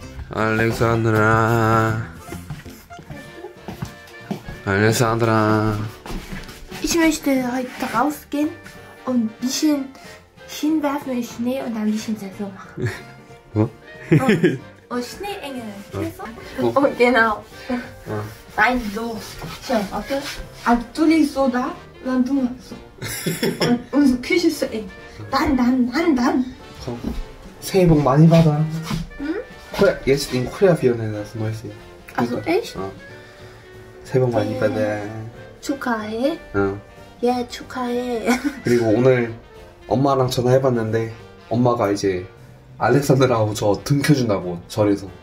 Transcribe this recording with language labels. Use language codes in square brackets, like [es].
[ko] 알렉산드라, 알렉산드라. [de] Ich möchte heute rausgehen und ein bisschen hinwerfen in Schnee und ein bisschen Saison machen. [ko] 뭐? [de] Und Schneeengel, kennst du? Oh, genau. Nein, so. Schau, warte. Du liegst so da, dann du machst so. Und unsere Küche ist so eng. Dann. [ko] 새해 복 많이 받아. 응? 코리아, 예스 인 코리아 비어네나 스몰 씨. 아, 그 에이? 어. 새해 복 많이 받아. 축하해. 응. 예, 축하해. 그리고 오늘 엄마랑 전화해봤는데 엄마가 이제 알렉산드라하고 저 등 켜준다고 절에서.